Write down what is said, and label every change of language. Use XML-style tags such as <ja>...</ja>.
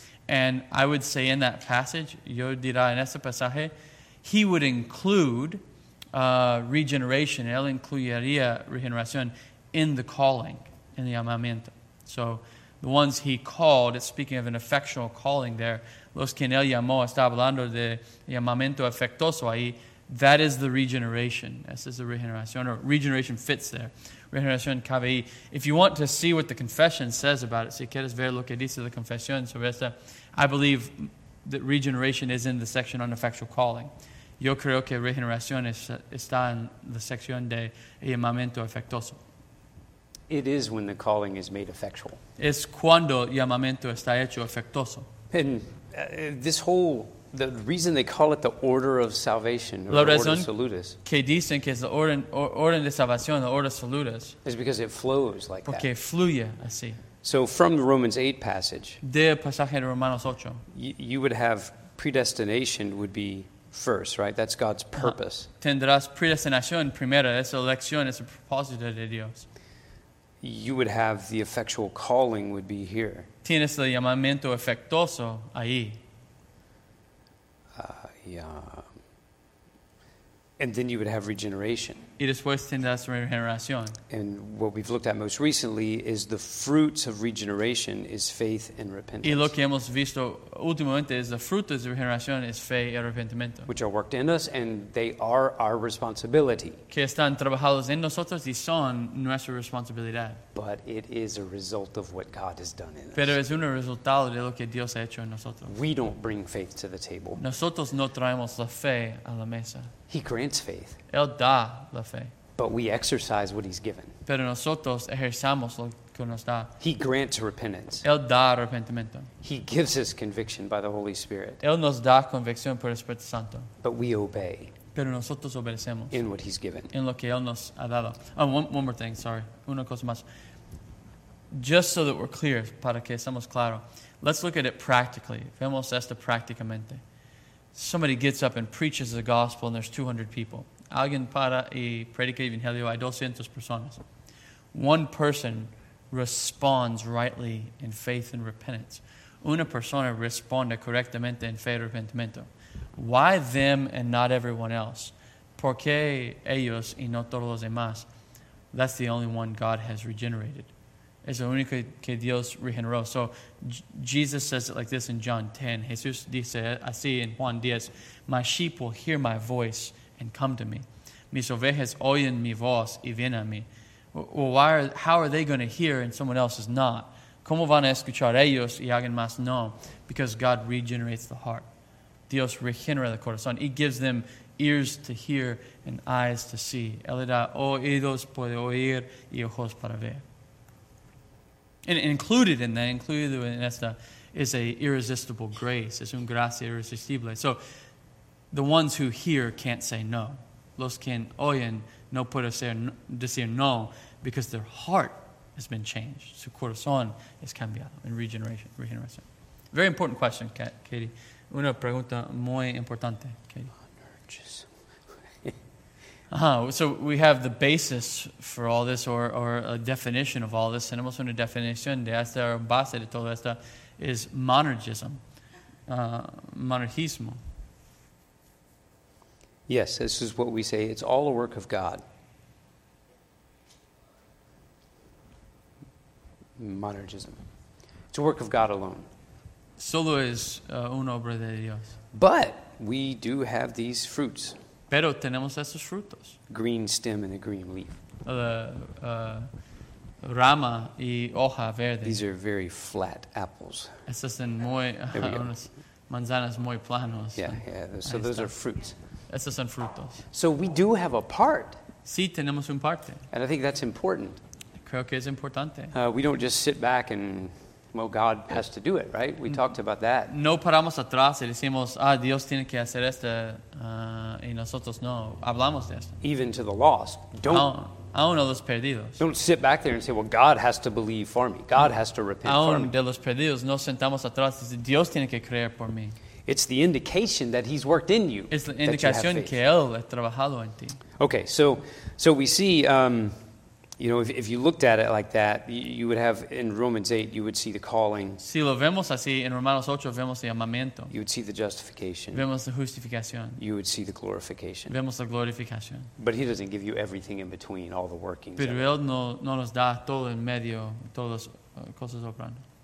<en>And I would say in that passage,</en> <es>yo dirá en ese pasaje,</es> <en>he would include regeneration.</en> <es>Él incluiría regeneración</es> <en>in the calling, in the llamamiento. So, the ones he called, it's speaking of an effectual calling there.</en> <es>Los que él llamó, está hablando de llamamiento afectuoso ahí.</es> <en>That is the regeneration.</en> <es>Esa es la regeneración.</es> <en>Or regeneration fits there.</en> <es>Regeneración cabe ahí.</es> <en>If you want to see what the confession says about it,</en> <es>si quieres ver lo que dice la confesión sobre esta,</es> <en>I believe that regeneration is in the section on effectual calling.</en> <es>Yo creo que regeneración está en la sección de llamamiento afectuoso.</es> <en>It is when the calling is made effectual.</en> <es>Es cuando el llamamiento está hecho efectuoso.</es> <en>And this whole, the reason they call it the order of salvation, or</en> <es>la razón</es> <en>the order salutis,</en> <es>que dicen que es la orden de salvación, la orden salutis,</es> <en>is because it flows like</en> <es>porque</es> <en>that.</en> <es>Porque fluye así.</es> <en>So from the Romans 8 passage,</en> <es>de pasaje de Romanos 8,</es> <en>you would have predestination would be first, right? That's God's purpose.</en> <es>Tendrás predestinación primero. Esa elección es el propósito de Dios.</es> <en>You would have the effectual calling would be here.</en> <es>Tienes el llamamiento efectuoso ahí.</es> <en>And then you would have regeneration.</en> <es>Y después tendrás regeneración.</es> <en>And what we've looked at most recently is the fruits of regeneration is faith and repentance.</en> <es>Y lo que hemos visto últimamente es los frutos de regeneración es fe y arrepentimiento.</es> <en>Which are worked in us and they are our responsibility.</en> <es>Que están trabajados en nosotros y son nuestra responsabilidad.</es> <en>But it is a result of what God has done in us.</en> <es>Pero es un resultado de lo que Dios ha hecho en nosotros.</es> <en>We don't bring faith to the table.</en> <es>Nosotros no traemos la fe a la mesa.</es> <en>He grants faith.</en> <es>Él da la fe.</es> <en>But we exercise what he's given.</en> <es>Pero nosotros ejercemos lo que nos da.</es> <en>He grants repentance.</en> <es>Él da arrepentimiento.</es> <en>He gives us conviction by the Holy Spirit.</en> <es>Él nos da convicción por el Espíritu Santo.</es> <en>But we obey.</en> <es>Pero nosotros obedecemos.</es> <en>In what he's given.</en> <es>En lo que Él nos ha dado.</es> <en>One more thing, sorry.</en> <es>Una cosa más.</es> <en>Just so that we're clear,</en> <es>para que estemos claros.</es> <en>Let's look at it practically.</en> <es>Vemos esto prácticamente.</es> <en>Somebody gets up and preaches the gospel and there's 200 people.</en> <es>Alguien para y predica el evangelio a 200 personas.</es> <en>One person responds rightly in faith and repentance.</en> <es>Una persona responde correctamente en fe y arrepentimiento.</es> <en>Why them and not everyone else?</en> <es>¿Por qué ellos y no todos los demás?</es> <en>That's the only one God has regenerated.</en> <es>Es el único que Dios regeneró.</es> <en>So Jesus says it like this in John 10.</en> <es>Jesús dice así en Juan 10.</es> <en>My sheep will hear my voice and come to me.</en> <es>Mis ovejas oyen mi voz y vienen a mí.</es> <en>Well, how are they going to hear and someone else is not?</en> <es>¿Cómo van a escuchar ellos y alguien más no?</es> <en>Because God regenerates the heart.</en> <es>Dios regenera el corazón.</es> <en>He gives them ears to hear and eyes to see.</en> <es>Él le da oídos para oír y ojos para ver.</es> <en>And included in esta is a irresistible grace.</en> <es>Es un gracia irresistible.</es> <en>So the ones who hear can't say no.</en> <es>Los que oyen no pueden decir no</es> <en>because their heart has been changed.</en> <es>Su corazón es cambiado en regeneración.</es> <en>Very important question, Katie.</en> <es>Una pregunta muy importante, Katie.</es> <en>So we have the basis for all this or a definition of all this.</en> <es>Tenemos una definición de esta or base de todo esto is monergism, monergismo.</es> <en>Yes, this is what we say. It's all a work of God. Monergism. It's a work of God alone.</en> <es>Solo es una obra de Dios.</es> <en>But we do have these fruits.</en> <es>Pero tenemos esos frutos.</es> <en>Green stem and a green leaf.</en> <es>Rama y hoja verde.</es> <en>These are very flat apples.</en> <es>Estas son muy manzanas muy planos.</es> <en>Yeah. So those are fruits.</en> <es>Estas son frutos.</es> <en>So we do have a part.</en> <es>Sí, tenemos un parte.</es> <en>And I think that's important.</en> <es>Creo que es importante.</es> <en>We don't just sit back and, well, God has to do it, right? We talked about that.</en> <es>No paramos atrás y decimos, Dios tiene que hacer esto, y nosotros no. Hablamos de esto.</es> <en>Even to the lost.</en> <es>Aún a los perdidos.</es> <en>Don't sit back there and say, well, God has to believe for me. God has to repent</en> <es>aún</es> <en>for me.</en> <es>Aún de los perdidos, no sentamos atrás y decimos, Dios tiene que creer por mí.</es> <en>It's the indication that he's worked in you.</en> <es>Es la indicación</es> <en>that you have faith.</en> <es>Que él ha trabajado en ti.</es> <en>Okay, so we see, if you looked at it like that, you would have in Romans 8, you would see the calling.</en> <es>Si lo vemos así, en Romanos 8 vemos el llamamiento.</es> <en>You would see the justification.</en> <es>Vemos la justificación.</es> <en>You would see the glorification.</en> <es>Vemos la glorificación.</es> <en>But he doesn't give you everything in between, all the workings.</en> <es>Pero él no nos da todo en medio, todas las cosas operando.</es>